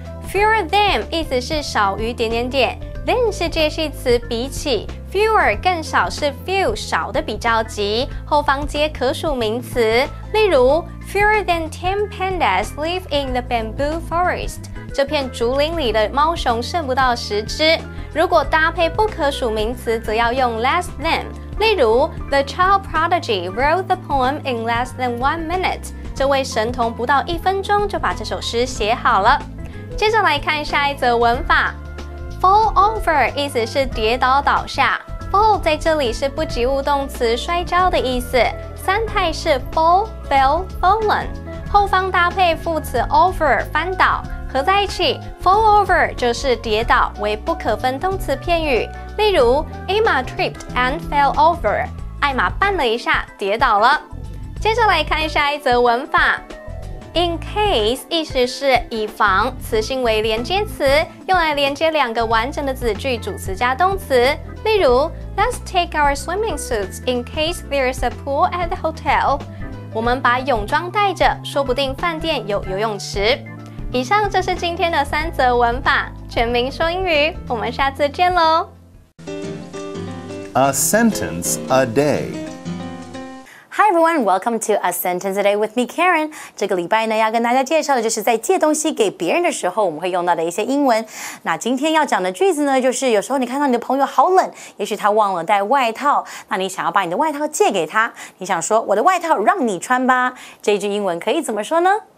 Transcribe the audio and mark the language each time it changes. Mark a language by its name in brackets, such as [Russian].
[Chinese] Fewer than 意思是少于点点点。Than 是介系词比起 ，fewer 更少是 few 少的比较级，后方接可数名词。例如 [English] ，fewer than 10 pandas live in the bamboo forest。 [Chinese] 这片竹林里的猫熊剩不到十只。如果搭配不可数名词，则要用 less than。例如 [English] ，the child prodigy wrote the poem in less than 1 minute。 [Chinese] 这位神童不到一分钟就把这首诗写好了。接着来看下一则文法。Fall over 意思是跌倒倒下。 Fall 在这里是不及物动词摔跤的意思。三态是 fall, fell, fallen。后方搭配副词 over 翻倒，合在一起 fall over 就是跌倒，为不可分动词片语。例如 ， [English] Emma tripped and fell over。 [Chinese] 艾玛绊了一下，跌倒了。接着来看下一则文法。 In case 意思是以防，词性为连接词，用来连接两个完整的子句，主词加动词。例如 [English] ，Let's take our swimming suits in case there is a pool at the hotel。 [Chinese] 我们把泳装带着，说不定饭店有游泳池。以上就是今天的三则文法，全民说英语，我们下次见咯。 [English] A sentence a day。 Hi everyone, welcome to A Sentence Today with me, Karen. [Chinese] 这个礼拜呢，要跟大家介绍的就是在借东西给别人的时候，我们会用到的一些英文。那今天要讲的句子呢，就是有时候你看到你的朋友好冷，也许他忘了带外套，那你想要把你的外套借给他，你想说我的外套让你穿吧。这句英文可以怎么说呢？